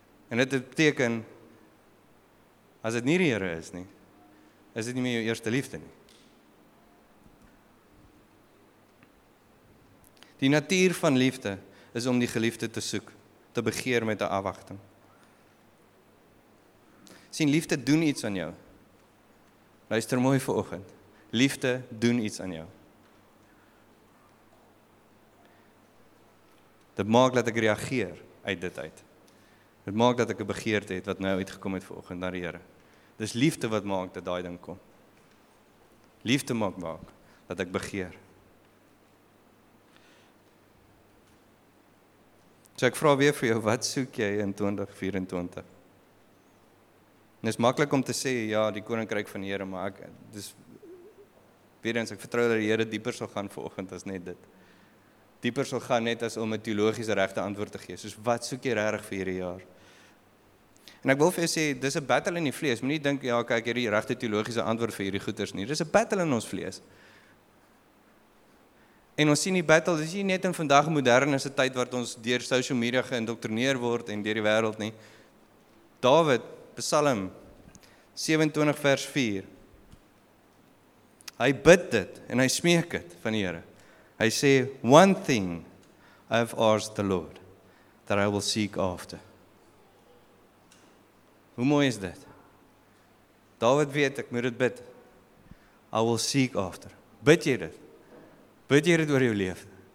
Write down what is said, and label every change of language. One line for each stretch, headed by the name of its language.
Afrikaans: En dit beteken, as dit nie die Here is nie, is dit nie meer jou eerste liefde nie. Die natuur van liefde is om die geliefde te soek, te begeer met 'n afwagting. Sien, liefde doen iets aan jou. Luister mooi vir oggend. Liefde doen iets aan jou. Dit maak dat ek reageer uit dit uit. Dit maak dat ek 'n begeerte het wat nou uitgekom het vanoggend na die Here. Dis liefde wat maak dat daai ding kom. Liefde maak dat ek begeer. So ek vra weer vir jou, wat soek jy in 2024? En dis maklik om te sê, ja, die koninkryk van die Here, maar ek vertrou dat die Here dieper sal gaan vanoggend as net dit. Dieper sal gaan net as om 'n teologiese regte antwoord te gee. Soos wat soek jy regtig vir hierdie jaar? En ek wil vir jou sê, dis 'n battle in die vlees. Moenie dink, ja, kyk, hierdie regte teologiese antwoord vir hierdie goeters nie. Dis 'n battle in ons vlees. En ons sien die battle, dis nie net in vandag moderne tyd wat ons deur social media geïndoktrineer word en deur die wêreld nie. Dawid, Psalm 27 vers 4. Hy bid dit en hy smeek dit van die Here. Hy sê,
English: "One thing I have asked the Lord that I will seek after."
Afrikaans: Hoe mooi is dit? Dawid weet, ek moet dit bid.
English: I will seek after.
Afrikaans: Bid jy dit? Bid jy dit oor jou lewe?